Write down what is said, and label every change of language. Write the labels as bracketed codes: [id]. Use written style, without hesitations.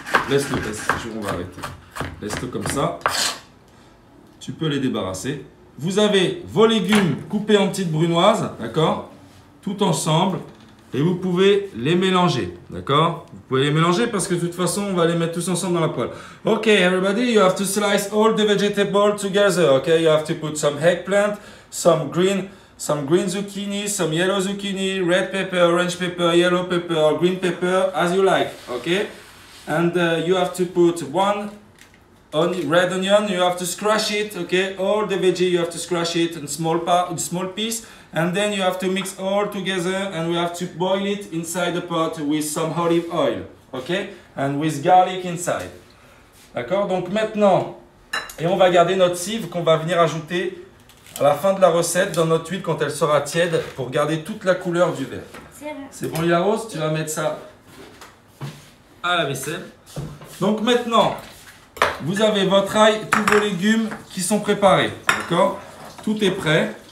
[fr] Laisse-le comme ça. Tu peux les débarrasser. Vous avez vos légumes coupés en petites brunoises, d'accord, tout ensemble. Et vous pouvez les mélanger, d'accord? Vous pouvez les mélanger parce que de toute façon, on va les mettre tous ensemble dans la poêle. [en] Ok, everybody, you have to slice all the vegetables together, ok? You have to put some eggplant, some green zucchini, some yellow zucchini, red pepper, orange pepper, yellow pepper, green pepper, as you like, ok? And you have to put one red onion, you have to scratch it, ok? All the veggie, you have to scratch it in small piece. And then you have to mix all together and we have to boil it inside the pot with some olive oil, ok? And with garlic inside. [fr] D'accord? Donc maintenant, et on va garder notre sieve qu'on va venir ajouter à la fin de la recette dans notre huile quand elle sera tiède pour garder toute la couleur du verre. C'est bon, Lila Rose? Tu vas mettre ça à la vaisselle. Donc maintenant, vous avez votre ail, tous vos légumes qui sont préparés, d'accord? Tout est prêt.